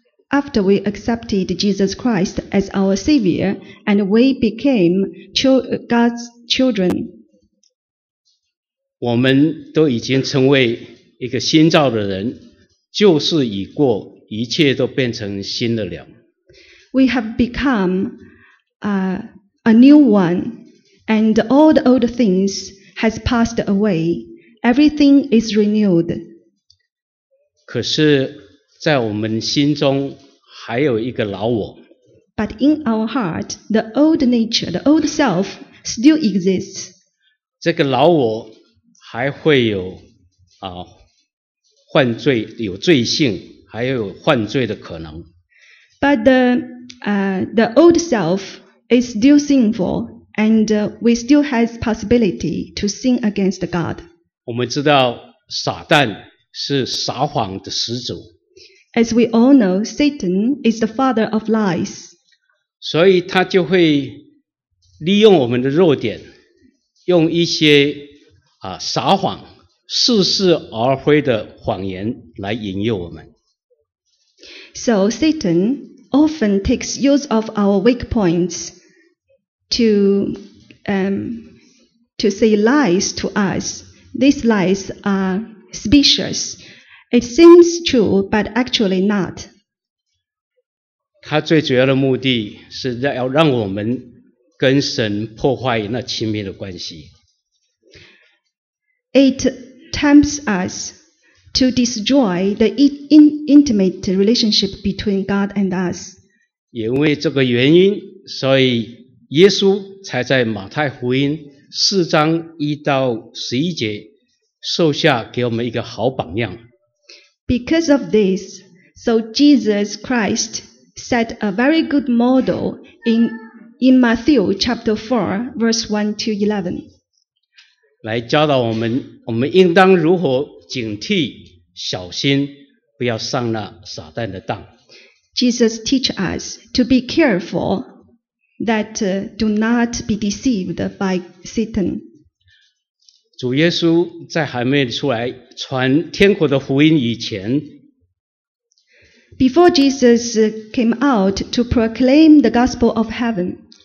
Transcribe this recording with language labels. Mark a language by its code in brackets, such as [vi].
[en] After we accepted Jesus Christ as our Savior and we became God's children, [zh] 我们都已经成为一个新造的人，旧事已过，一切都变成新的了。 [en] We have become a new one, and all the old things has passed away. Everything is renewed. [zh] 可是，在我们心中还有一个老我。 [en] But in our heart, the old nature, the old self still exists. [zh] 这个老我还会有犯罪，有罪性，还有犯罪的可能。 [en] But the old self is still sinful, and we still have possibility to sin against God. [zh] 我们知道撒旦是撒谎的始祖。 [en] As we all know, Satan is the father of lies. [zh] 所以他就会利用我们的弱点，用一些撒谎、似是而非的谎言来引诱我们。 [en] So Satan often takes use of our weak points to say lies to us. These lies are specious. It seems true, but actually not. [zh] 他最主要的目的是要让我们跟神破坏那亲密的关系。 [en] It tempts us to destroy the intimate relationship between God and us. [zh] 因为这个原因，所以耶稣才在马太福音四章一到十一节受下给我们一个好榜样。 [en] Because of this, so Jesus Christ set a very good model in Matthew chapter 4, verse 1 to 11. [zh] 来教导我们，我们应当如何警惕、小心，不要上那撒旦的当。 [en] Jesus teach us to be careful that do not be deceived by Satan. [zh] 主耶稣在还没出来传天国的福音以前， [en] Before Jesus came out to proclaim the gospel of heaven,